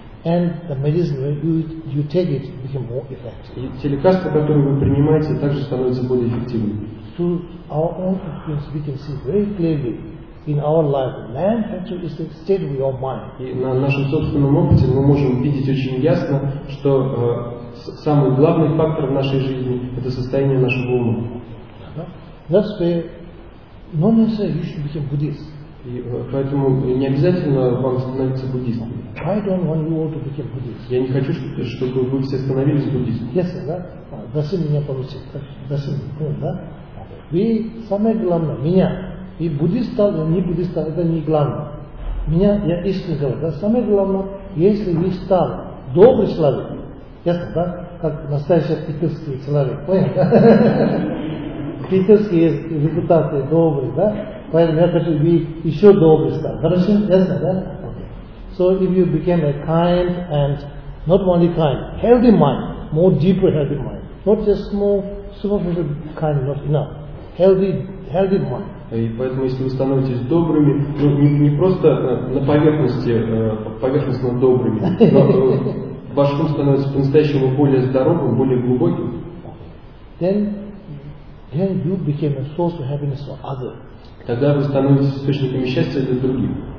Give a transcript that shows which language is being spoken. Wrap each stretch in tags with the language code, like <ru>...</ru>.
<en>And the medicine you take it become more effective.</en> <ru>И те лекарства, которые вы принимаете, также становятся более эффективными.</ru> <en>To our own experience, we can see very clearly in our life, man actually is a state of your mind.</en> <ru>И на нашем собственном опыте мы можем видеть очень ясно, что самый главный фактор в нашей жизни – это состояние нашего ума.</ru> <en>That's why, not necessarily you should become Buddhist.</en> <ru>И поэтому не обязательно вам становиться буддистом.</ru> <en>I don't want you all to become Buddhist.</en> <ru>Я не хочу, чтобы вы все становились буддистами.</ru> <en>Yes,</en> <ru>да? Даси меня получить. Даси, да? Вы самое главное, меня. И буддист стал, и не буддист стал, это не главное. Меня, я искренне говорю, да, самое главное, если вы стал добрый человек, ясно, да, как настоящий питерский человек, понятно? Питерский есть репутация, добрый, да, поэтому я хочу, вы еще добрый стал, хорошо, ясно, да?</ru> <en>So if you became a kind and not only kind, healthy mind, more deeper healthy mind, not just more superficial kind, not enough, healthy mind.</en> <ru>И поэтому, если вы становитесь добрыми, ну, не просто на поверхности, поверхностно добрыми, но ваш ум становится по-настоящему более здоровым, более глубоким,</ru> <en>then you became a source of happiness for others.</en> <ru>Тогда вы становитесь источником счастья для других.</ru>